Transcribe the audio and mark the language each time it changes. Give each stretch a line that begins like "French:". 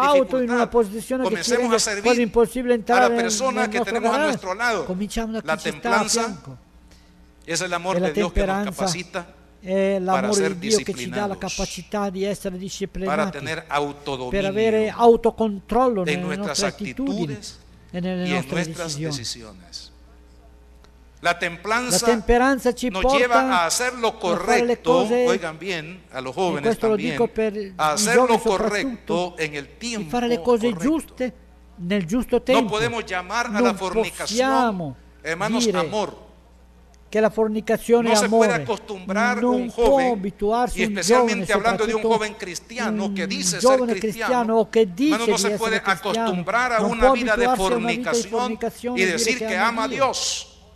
Italian: auto in una posizione che ci rende quasi impossibile entrare nel nostro garage. Cominciamo da chi ci sta a fianco. È la temperanza, è l'amore di Dio che ci dà la capacità di essere disciplinati, per avere autocontrollo nelle nostre attitudini.
Spanish: Y en nuestras decisiones.
Italian: La temperanza ci
Spanish: nos
Italian: porta
Spanish: lleva a hacer lo correcto, oigan bien, a los jóvenes también, lo a hacer lo correcto en el tiempo
Italian: y fare le cose giuste, nel giusto tempo.
Spanish: No podemos llamar
Italian: non
Spanish: a la fornicación, hermanos, amor. Que la fornicación no es amor. Se puede acostumbrar no un joven,
Italian: può abituarsi
Spanish: y especialmente
Italian: un giovane,
Spanish: hablando de un joven cristiano que dice ser cristiano, o que dice no se puede acostumbrar a una vida de fornicación y decir que ama a Dios.